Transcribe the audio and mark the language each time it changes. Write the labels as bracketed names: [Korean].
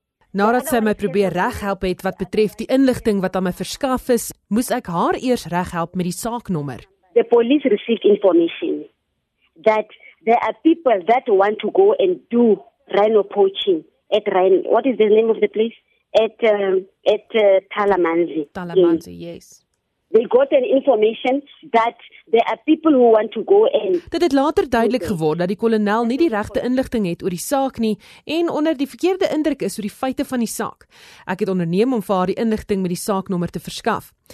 [Afrikaans] Nadat sy my probeer reghelp het wat betref die inligting wat aan my verskaf is, moes ek haar eers reghelp met die saaknommer. [English] The police received information that there are people that want to go and do rhino poaching at rhino. What is the name of the place? At Talamanzi. Talamanzi, yes. They got an information that there are people who want to go and. [Afrikaans] Dit het later duidelik geword dat die kolonel nie die regte inligting het oor die saak nie en onder die verkeerde indruk is oor die feite van die saak. Ek het onderneem om vir haar die inligting met die saaknommer te verskaf.